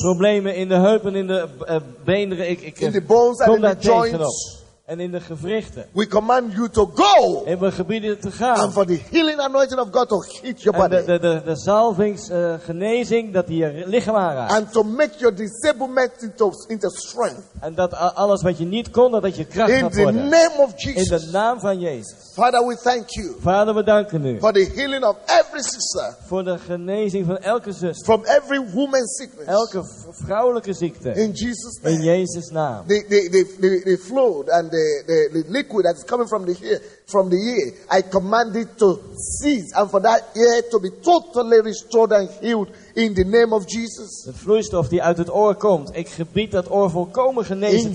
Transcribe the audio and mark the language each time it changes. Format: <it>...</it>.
<nl>Problemen in de heupen, in de beneren. Ik</nl> <en>in the bones</en> <nl>kom</nl> <en>and in the joints.</en> <nl>Op. En in de gewrichten.</nl> <en>We command you to go.</en> <nl>En we gebieden te gaan.</nl> <en>And for the healing anointing of God to hit your body.</en> <nl>En de zalvings genezing dat die je lichaam aanraakt.</nl> <en>And to make your disabled met into strength.</en> <nl>En dat alles wat je niet kon, dat je kracht in gaat worden.</nl> <en>In the name of Jesus.</en> <nl>In de naam van Jezus.</nl> <en>Father, we thank you.</en> <nl>Vader, we danken u.</nl> <en>For the healing of every sister.</en> <nl>Voor de genezing van elke zuster.</nl> <en>From every woman's sickness.</en> <nl>Elke vrouwelijke ziekte.</nl> <en>In Jesus' name.</en> <nl>In Jezus naam.</nl> <en>They flowed and the liquid that is coming from the ear, I command it to cease, and for that ear to be totally restored and healed in the name of Jesus.</en> <nl>De vloeistof die uit het oor komt, ik gebied dat oor volkomen genezen</nl>